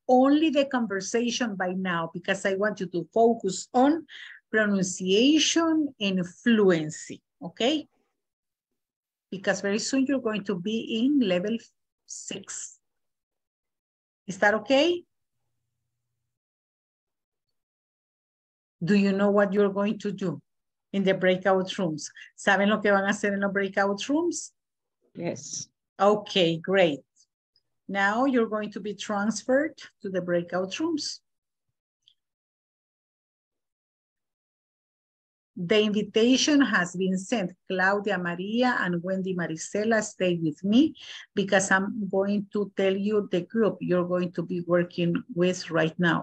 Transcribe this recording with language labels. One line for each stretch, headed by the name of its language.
English: Only the conversation by now, because I want you to focus on pronunciation and fluency, okay? Because very soon you're going to be in level 6. Is that okay? Do you know what you're going to do in the breakout rooms?
Spanish: ¿Saben lo que van a hacer en los breakout rooms?
English: Yes. Okay, great. Now you're going to be transferred to the breakout rooms. The invitation has been sent. Claudia Maria and Wendy Maricela, stay with me because I'm going to tell you the group you're going to be working with right now.